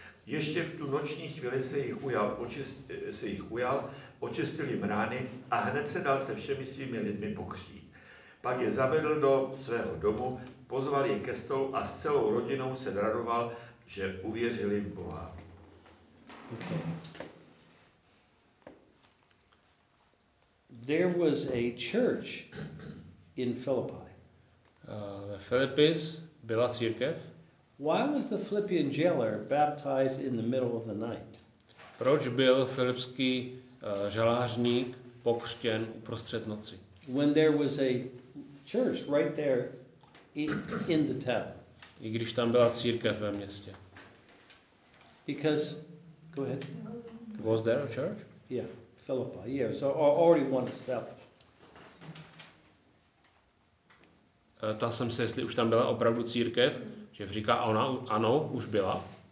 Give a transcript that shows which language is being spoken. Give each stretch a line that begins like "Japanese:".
Czech: Ještě v tu noční chvíli se jich ujal, očistil jim rány a hned se dal se všemi svými lidmi pokřtít. Pak je zavedl do svého domu, pozval je ke stolu a s celou rodinou se radoval, že uvěřili v Boha.
English: There was a church in Philippi.
Czech: Filipis byla církev?
English: Why was the Philippian jailer baptized in the middle of the night?
Czech: Proč byl filipský žalářník pokřtěn uprostřed noci?
English: When there was a church right there in the town.
Czech: I když tam byla církev ve městě.
English: Because, go ahead. Was there a church? Yeah, Philippi. Yeah, so already one established.
Czech: Ptal jsem se, jestli už tam byla opravdu církev, že říká ona, ano, už byla.